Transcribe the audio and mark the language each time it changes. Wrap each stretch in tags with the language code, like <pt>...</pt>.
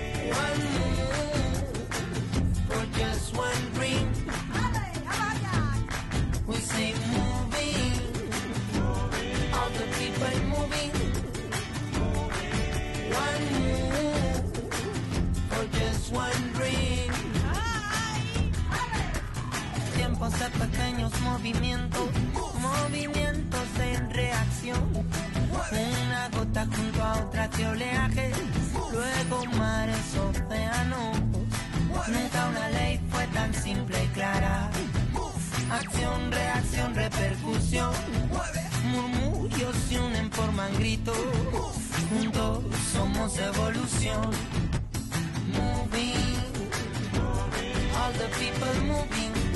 <en>One move for just one dream. Ave, ave, ave. We say moving. All the people moving. One move for just one dream.</en> <es>Tiempos de pequeños movimientos, movimientos en reacción. Una gota junto a otra de oleaje, luego mares, océanos. Nunca una ley fue tan simple y clara. Acción, reacción, repercusión. Murmullos se unen, forman gritos. Juntos somos evolución.</es> <en>Moving, all the people moving.</en>